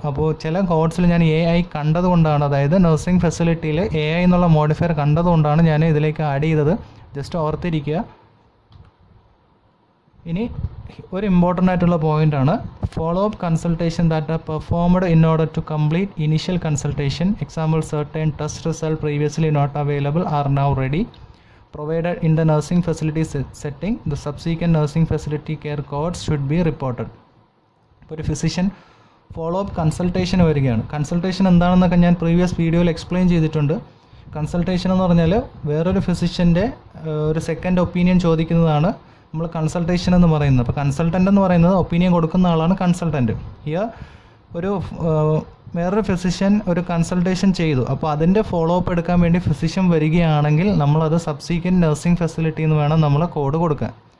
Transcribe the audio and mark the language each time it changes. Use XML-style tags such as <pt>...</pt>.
<ml>അപ്പോൾ ചില കോഡ്സിൽ ഞാൻ എ ഐ കണ്ടതുകൊണ്ടാണ്, അതായത് നഴ്സിംഗ് ഫെസിലിറ്റിയിൽ എ ഐ എന്നുള്ള മോഡിഫയർ കണ്ടതുകൊണ്ടാണ് ഞാൻ ഇതിലേക്ക് ആഡ് ചെയ്തത്. ജസ്റ്റ് ഓർത്തിരിക്കുക. ഇനി ഒരു ഇമ്പോർട്ടൻ്റ് ആയിട്ടുള്ള പോയിൻ്റാണ്</ml> <en>Follow up consultation that are performed in order to complete initial consultation. Example certain test result previously not available are now ready provided in the nursing facility setting, the subsequent nursing facility care codes should be reported.</en> <ml>ഇപ്പോൾ ഒരു physician follow up consultation വരികയാണ്. Consultation എന്താണെന്നൊക്കെ ഞാൻ previous വീഡിയോയിൽ explain ചെയ്തിട്ടുണ്ട്. Consultation എന്ന് പറഞ്ഞാൽ വേറൊരു ഫിസിഷ്യൻ്റെ ഒരു സെക്കൻഡ് ഒപ്പീനിയൻ ചോദിക്കുന്നതാണ് നമ്മൾ കൺസൾട്ടേഷൻ എന്ന് പറയുന്നത്. അപ്പോൾ കൺസൾട്ടൻ്റ് എന്ന് പറയുന്നത് ഒപ്പീനിയൻ കൊടുക്കുന്ന ആളാണ് കൺസൾട്ടൻ്റ്. ഹിയർ ഒരു വേറൊരു ഫിസിഷ്യൻ ഒരു കൺസൾട്ടേഷൻ ചെയ്തു, അപ്പോൾ അതിൻ്റെ ഫോളോ അപ്പ് എടുക്കാൻ വേണ്ടി ഫിസിഷ്യൻ വരികയാണെങ്കിൽ നമ്മളത് സബ്സീക്വൻറ്റ് നഴ്സിംഗ് ഫെസിലിറ്റി എന്ന് വേണം നമ്മൾ കോഡ് കൊടുക്കാൻ.</ml>